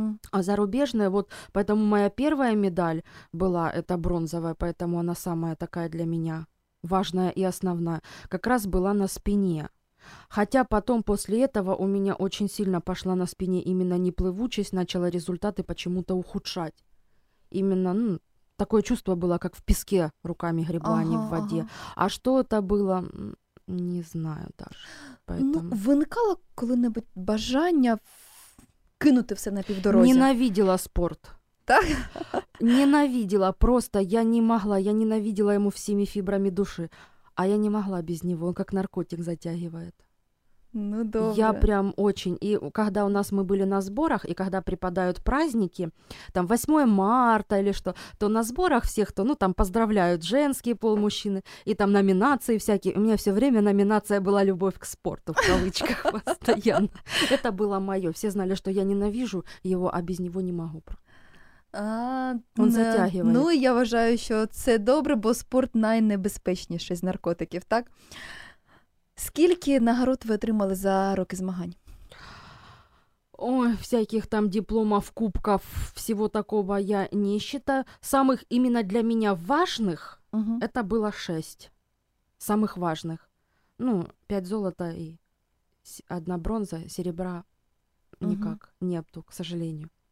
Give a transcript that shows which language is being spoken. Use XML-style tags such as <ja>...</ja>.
<ru>А зарубежная, вот поэтому моя первая медаль была, это бронзовая, поэтому она самая такая для меня важная и основная, как раз была на спине. Хотя потом, после этого, у меня очень сильно пошла на спине именно неплывучесть, начала результаты почему-то ухудшать. Именно, ну, такое чувство было, как в песке руками гребла, а не в воде. А что это было, Не знаю, Даш. Поэтому...</ru> <uk>Ну, виникало коли-небудь бажання кинути все на півдорозі? Ненавиділа спорт. Так? Ненавиділа, просто я не могла, я ненавиділа йому всіми фібрами душі, а я не могла без нього, він як наркотик затягує. Ну, добре.</uk> <ru>Я прям очень. И когда у нас мы были на сборах, и когда припадают праздники, там 8 марта или что, то на сборах всех, то, ну, там поздравляют женский пол, мужчины, и там номинации всякие. У меня все время номинация была «Любовь к спорту», в кавычках, постоянно. Это было мое. Все знали, что я ненавижу его, а без него не могу. Он затягивает.</ru> <uk>Ну, я вважаю,</uk> <ru>что это</ru> <uk>добре, бо спорт найнебезпечніший з наркотиків, так? Скільки нагород ви отримали за роки змагань?</uk> <ru>Ой, всяких там дипломов, кубков, всего такого я не считаю. Самых именно для меня важных, угу, это было 6. Самых важных. Ну, 5 золота и 1 бронза, серебра никак, угу, нету, к сожалению.</ru>